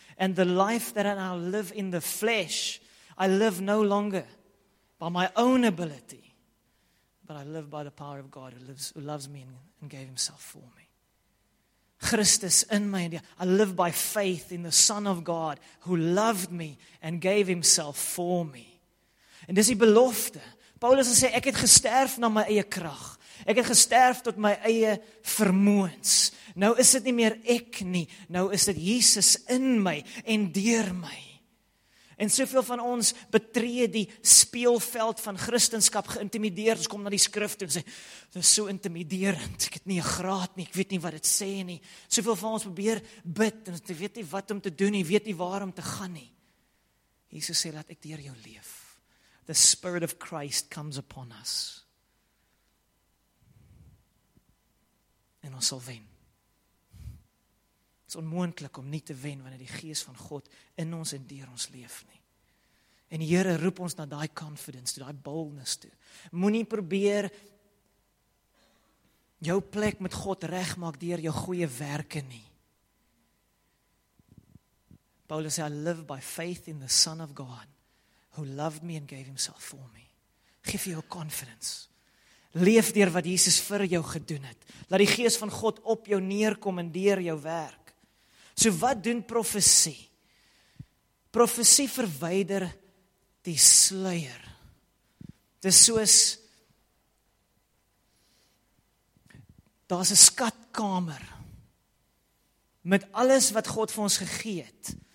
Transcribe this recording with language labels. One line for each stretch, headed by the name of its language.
English: And the life that I now live in the flesh, I live no longer by my own ability, but I live by the power of God who loves me and gave himself for me.
Afrikaans: Christus in my
English: India, I live by faith in the Son of God who loved me and gave himself for me.
Afrikaans: En dis die belofte. Paulus sê, ek het gesterf na my eie krag. Ek het gesterf tot my eie vermoëns. Nou is dit nie meer ek nie, nou is dit Jesus in my en deur my. En soveel van ons betree die speelveld van Christenskap geïntimideerd, ons kom na die skrif toe en sê, dit is so intimiderend, ek het nie 'n graad nie, ek weet nie wat dit sê nie. Soveel van ons probeer bid, en ons weet nie wat om te doen nie, weet nie waar om te gaan nie. Jesus sê, laat ek deur jou leef.
English: The Spirit of Christ comes upon us.
Afrikaans: En ons sal wen. Het is onmoontlik om nie te wen wanneer die Gees van God in ons en deur ons leef nie. En die Here roep ons na die confidence toe, die boldness toe. Moenie probeer jou plek met God regmaak deur jou goeie werke nie. Paulus sê,
English: I live by faith in the Son of God, who loved me and gave himself for me.
Afrikaans: Geef jou confidence. Leef deur wat Jesus vir jou gedoen het. Laat die Gees van God op jou neerkom en deur jou werk. So wat doen profesie? Profesie verwyder die sluier. Dis soos, daar's 'n skatkamer met alles wat God vir ons gegee het.